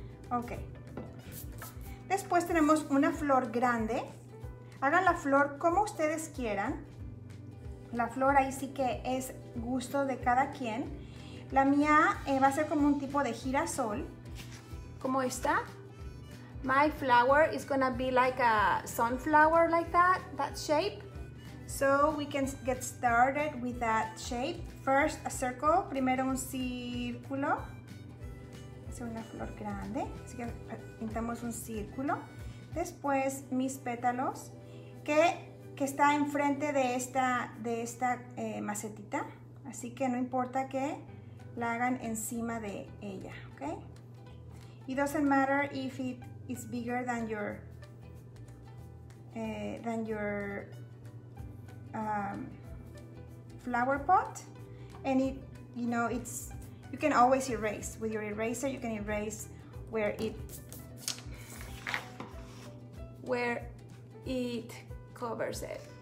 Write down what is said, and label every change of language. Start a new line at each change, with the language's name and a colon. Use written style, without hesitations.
Spanish: Ok. Después tenemos una flor grande. Hagan la flor como ustedes quieran. La flor ahí sí que es gusto de cada quien. La mía va a ser como un tipo de girasol. Como esta.
English: My flower is gonna be like a sunflower like that, that shape. So we can get started with that shape. First, a circle.
Spanish: Primero un círculo. Hacer una flor grande. Así que pintamos un círculo. Después, mis pétalos. Que está enfrente de esta macetita. Así que no importa que la hagan encima de ella.
English: Okay? It doesn't matter if it is bigger than your flower pot, and it, you know, it's, you can always erase with your eraser. You can erase where it covers it.